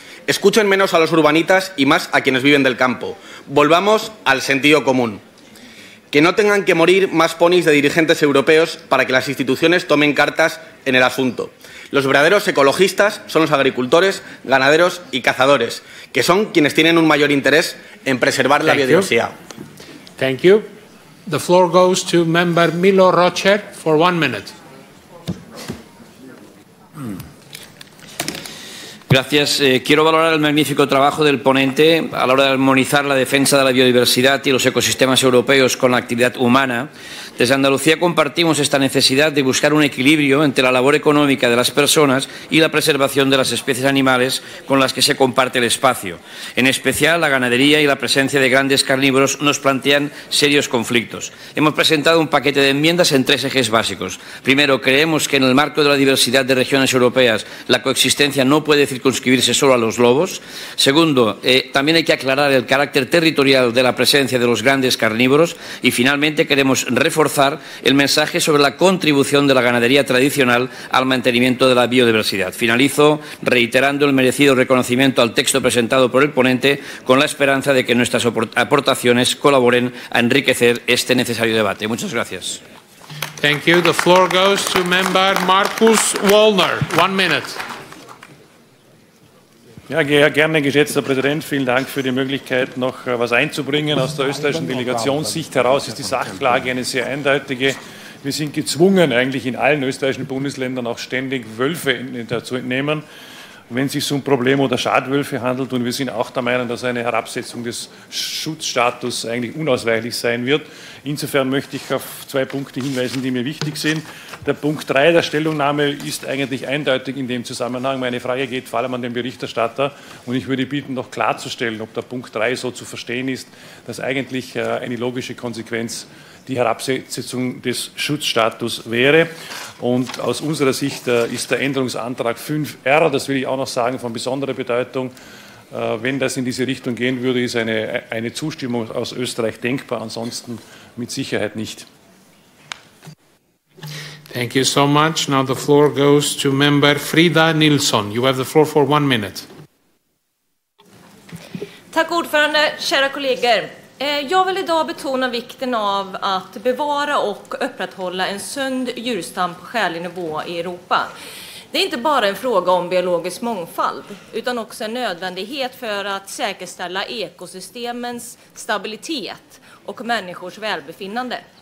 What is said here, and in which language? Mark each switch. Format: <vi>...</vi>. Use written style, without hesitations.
<es>Escuchen menos a los urbanitas y más a quienes viven del campo. Volvamos al sentido común. Que no tengan que morir más ponis de dirigentes europeos para que las instituciones tomen cartas en el asunto. Los verdaderos ecologistas son los agricultores, ganaderos y cazadores, que son quienes tienen un mayor interés en preservar la biodiversidad.</es> <en>Thank you. The floor goes to member Milo Rocher for 1 minute.</en> <es>Gracias. Quiero valorar el magnífico trabajo del ponente a la hora de armonizar la defensa de la biodiversidad y los ecosistemas europeos con la actividad humana. Desde Andalucía compartimos esta necesidad de buscar un equilibrio entre la labor económica de las personas y la preservación de las especies animales con las que se comparte el espacio. En especial, la ganadería y la presencia de grandes carnívoros nos plantean serios conflictos. Hemos presentado un paquete de enmiendas en 3 ejes básicos. Primero, creemos que en el marco de la diversidad de regiones europeas la coexistencia no puede circunscribirse solo a los lobos. Segundo, también hay que aclarar el carácter territorial de la presencia de los grandes carnívoros. Y finalmente, queremos reforzar el mensaje sobre la contribución de la ganadería tradicional al mantenimiento de la biodiversidad. Finalizo reiterando el merecido reconocimiento al texto presentado por el ponente, con la esperanza de que nuestras aportaciones colaboren a enriquecer este necesario debate. Muchas gracias.</es> <en>Thank you. The floor goes to member Markus Wollner. 1 minute.</en> <de>Ja, gerne, geschätzter Präsident, vielen Dank für die Möglichkeit, noch was einzubringen. Aus der österreichischen Delegationssicht heraus ist die Sachlage eine sehr eindeutige. Wir sind gezwungen, eigentlich in allen österreichischen Bundesländern auch ständig Wölfe zu entnehmen, wenn es sich um Probleme oder Schadwölfe handelt. Und wir sind auch der Meinung, dass eine Herabsetzung des Schutzstatus eigentlich unausweichlich sein wird. Insofern möchte ich auf 2 Punkte hinweisen, die mir wichtig sind. Der Punkt 3 der Stellungnahme ist eigentlich eindeutig in dem Zusammenhang. Meine Frage geht vor allem an den Berichterstatter und ich würde bitten, noch klarzustellen, ob der Punkt 3 so zu verstehen ist, dass eigentlich eine logische Konsequenz die Herabsetzung des Schutzstatus wäre. Und aus unserer Sicht ist der Änderungsantrag 5R, das will ich auch noch sagen, von besonderer Bedeutung. Wenn das in diese Richtung gehen würde, ist eine Zustimmung aus Österreich denkbar, ansonsten mit Sicherheit nicht.</de> <en>Thank you so much. Now the floor goes to Member Frida Nilsson. You have the floor for 1 minute.</en> <sv>Tack ordförande, kära kollegor. Jag vill idag betona vikten av att bevara och upprätthålla en sund djurstam på skälig nivå I Europa. Det är inte bara en fråga om biologisk mångfald, utan också en nödvändighet för att säkerställa ekosystemens stabilitet och människors välbefinnande.</sv>